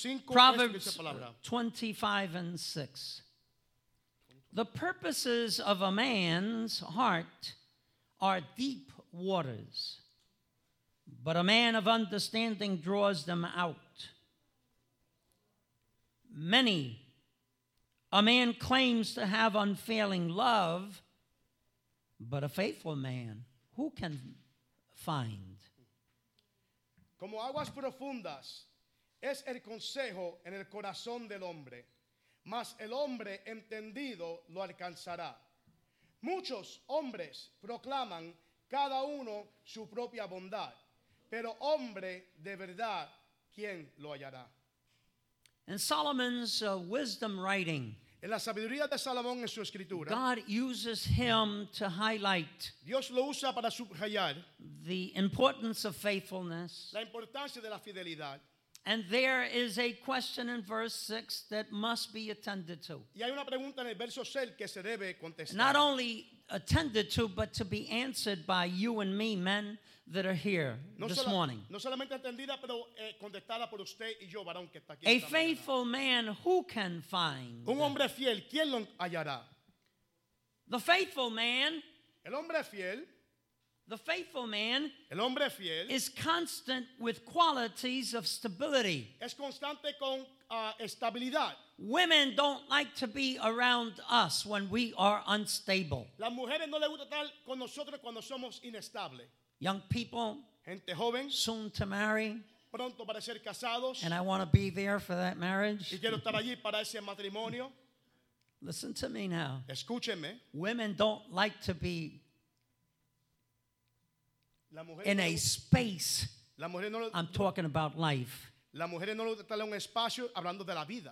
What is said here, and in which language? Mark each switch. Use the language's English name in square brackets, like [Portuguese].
[English] Proverbs 25 and 6. The purposes of a man's heart are deep waters, but a man of understanding draws them out. Many, a man claims to have unfailing love, but a faithful man, who can find? [Spanish] Como aguas profundas es el consejo en el corazón del hombre, mas el hombre entendido lo alcanzará. Muchos hombres proclaman cada uno su propia bondad, pero hombre de verdad, ¿quién lo hallará? [English] In Solomon's wisdom writing, [Spanish] En la sabiduría de Salomón en su escritura, [English] God uses him to highlight [Spanish] Dios lo usa para subrayar [English] the importance of faithfulness. [Spanish] La importancia de la fidelidad. [English] And there is a question in verse 6 that must be attended to. [Spanish] Y hay una pregunta en el verso 6 que se debe contestar. [English] Not only attended to, but to be answered by you and me, men that are here this morning. [Spanish] No solamente atendida, pero contestada por usted y yo, varón que está aquí. [English] A faithful man, who can find? [Spanish] Un hombre fiel, ¿quién lo hallará? [English] The faithful man. [Spanish] El hombre fiel. [English] The faithful man, [Spanish] el hombre fiel, [English] is constant with qualities of stability. [Spanish] Es constante con estabilidad. [English] Women don't like to be around us when we are unstable. [Spanish] Las mujeres no les gusta estar con nosotros cuando somos inestable. [English] Young people, [Spanish] gente joven, [English] soon to marry, [Spanish] pronto para ser casados, [English] and I want to be there for that marriage. [Spanish] Y quiero estar allí para ese matrimonio. [English] Listen to me now. [Spanish] Escúcheme. [English] Women don't like to be in a space. I'm talking about life. [Spanish] La mujer no está en un espacio hablando de la vida.